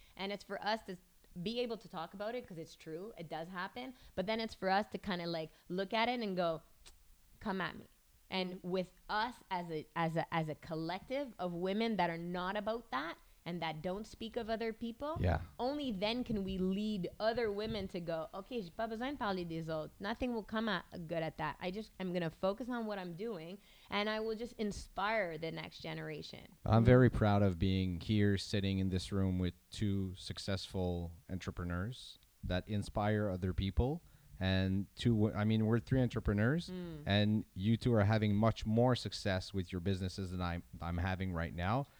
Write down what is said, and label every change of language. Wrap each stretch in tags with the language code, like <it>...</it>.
<en>And it's for us to be able to talk about it, because it's true. It does happen. But then it's for us to kind of like look at it and go, come at me. And with us as a collective of women that are not about that and that don't speak of other people, yeah, only then can we lead other women to go, okay,</en> <fr>j'ai pas besoin de parler des autres.</fr> <en>Nothing will come out good at that. I'm going to focus on what I'm doing and I will just inspire the next generation. I'm very proud of being here sitting in this room with two successful entrepreneurs that inspire other people. And we're three entrepreneurs and you two are having much more success with your businesses than I'm having right now.</en>